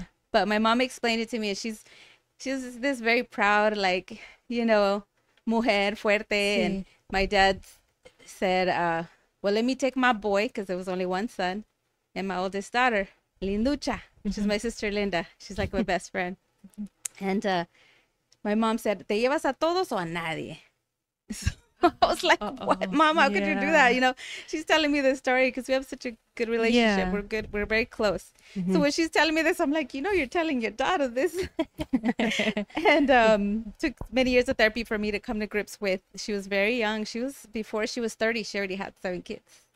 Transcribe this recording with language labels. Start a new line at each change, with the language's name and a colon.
English: But my mom explained it to me, and she's this very proud, like, you know,
Spanish: mujer fuerte. Sí.
English: And my dad said, well, let me take my boy, because there was only one son, and my oldest daughter, Linducha, which is my sister Linda. She's like my best friend.
Spanish: And my mom said, ¿te llevas a todos o a nadie?
English: So I was like, what, mom? How could you do that? You know, she's telling me this story because we have such a good relationship. Yeah. We're good. We're very close. Mm-hmm. So when she's telling me this, I'm like, you know, you're telling your daughter this. And took many years of therapy for me to come to grips with. She was very young. She was, before she was 30, she already had 7 kids.